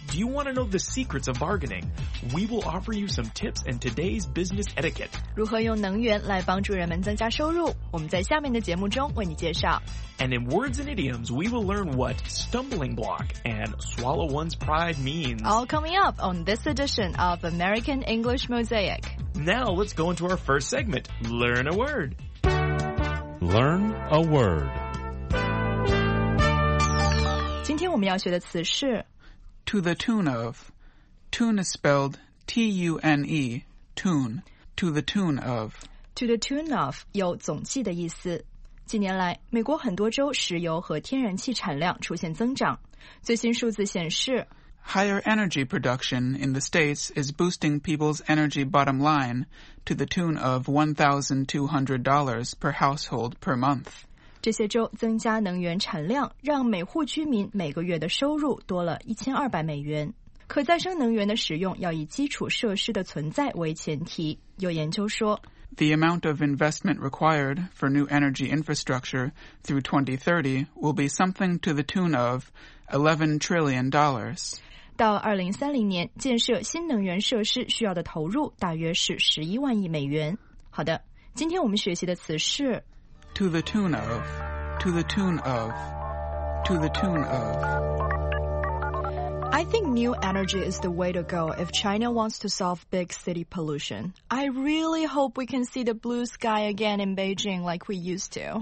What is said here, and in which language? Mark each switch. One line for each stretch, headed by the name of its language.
English: Do you want to know the secrets of bargaining? We will offer you some tips and today's business etiquette.
Chinese: 如何用能源来帮助人们增加收入？我们在下面的节目中为你介绍。
English: And in words and idioms, we will learn what stumbling block and swallow one's pride means. All coming up on this edition of American English Mosaic. Now let's go into our first segment, Learn a Word. Learn a word.
Chinese: 今天我们要学的词是
English: To the tune of. Tune is spelled T-U-N-E, tune. To the tune of. To the tune of
Chinese: 有总计的意思。近年来，美国很多州石油和天然气产量出现增长。最新数字显示
English: Higher energy production in the states is boosting people's energy bottom line. To the tune of $1,200 per household per month.
Chinese: 这些州增加能源产量，让每户居民每个月的收入多了$1,200。可再生能源的使用要以基础设施的存在为前提。有研究说
English: The amount of investment required for new energy infrastructure through 2030 will be something to the tune of $11 trillion.
Chinese: 到2030年，建设新能源设施需要的投入大约是$110,000,000。好的，今天我们学习的词是
English: To the tune of, to the tune of, to the tune of. I think new energy is the way to go if China wants to solve big city pollution. I really hope we can see the blue sky again in Beijing like we used to.